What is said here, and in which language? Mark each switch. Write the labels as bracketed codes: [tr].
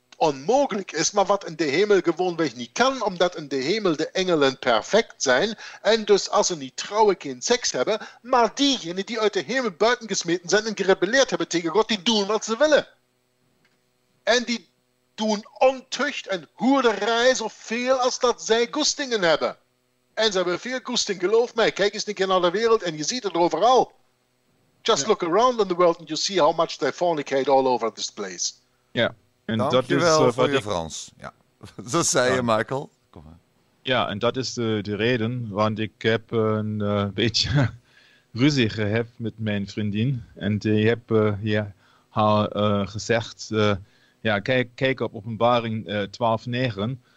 [nl] onmogelijk is, maar wat in de hemel gewoonweg niet kan, omdat in de hemel de engelen perfect zijn en dus als ze niet trouwen geen seks hebben, maar diegenen die uit de hemel buiten gesmeten zijn en gerebelleerd hebben tegen God, die doen wat ze willen. En die doen ontucht en hoerderij zoveel als dat zij goestingen hebben. En ze hebben veel goesting, geloof mij. Kijk eens een keer naar de wereld en je ziet het overal. [en] Just look around in the world and you see how much they fornicate all over this place. [nl] Ja, en dat is voor je Frans. Ja, zo zei je, Michael. Kom maar. Ja, en dat is de reden, want ik heb een beetje ruzie gehad met mijn vriendin. En die heb haar gezegd, ja, kijk op Openbaring 12:9.